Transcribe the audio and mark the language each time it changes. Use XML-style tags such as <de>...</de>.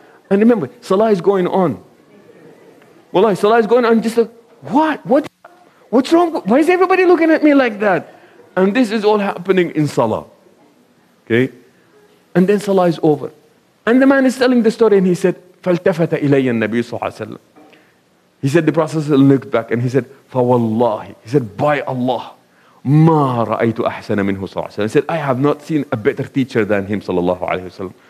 <en>And remember, salah is going on. Wallahi, salah is going on. I'm just like, what? What's wrong? Why is everybody looking at me like that? And this is all happening in salah. Okay? And then salah is over. And the man is telling the story and he said,</en> <ar>فَالْتَفَتَ إِلَيَّ النَّبِيُّ صَلَّى اللَّهُ عَلَيْهِ وَسَلَّمَ.</ar> <en>He said, the Prophet looked back and he said, فَوَاللَّهِ. He said, by Allah,</en> <ar>مَا رَأَيْتُ أَحْسَنَ مِنْهُ صَلَّى اللَّهُ عَلَيْهِ وَسَلَّمَ.</ar> <en>He said, I have not seen a better teacher than him,</en> <ar>صلى الله عليه وسلم.</ar>